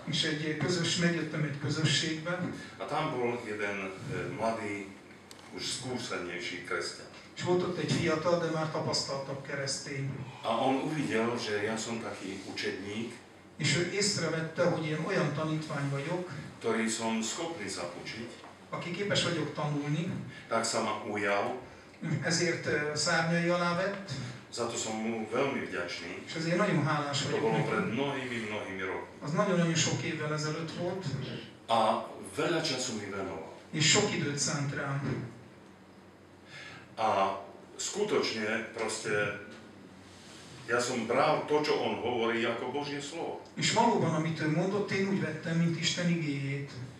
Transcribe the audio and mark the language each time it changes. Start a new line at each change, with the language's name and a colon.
Hungarian: És egy közös, megjöttem egy közösségbe.
Slovak: A tam bol jeden mladý, už skúsenejší kresťan.
Hungarian: És volt ott egy fiatal, de már tapasztaltabb keresztény.
Slovak: A on uvidel, že ja som taký učedník,
Hungarian: és ő észrevette, hogy én olyan tanítvány vagyok,
Slovak: ktorý som schopný zapučiť,
Hungarian: aki képes vagyok tanulni,
Slovak: tak sa ma ujal,
Hungarian: ezért szárnyai alá vett,
Slovak: za to som mu veľmi vďačný,
Hungarian: és ezért nagyon hálás vagyok.
Slovak: To bolo pred mnohými, mnohými rokmi.
Hungarian: Az nagyon-nagyon sok évvel ezelőtt volt,
Slovak: a veľa času mi venoval,
Hungarian: és sok időt szánt rám.
Slovak: A skutočne proste ja som bral to, čo on hovorí, ako Božie slovo.
Hungarian: És valóban, amit ő mondott, én úgy vettem, mint Isten igéjét.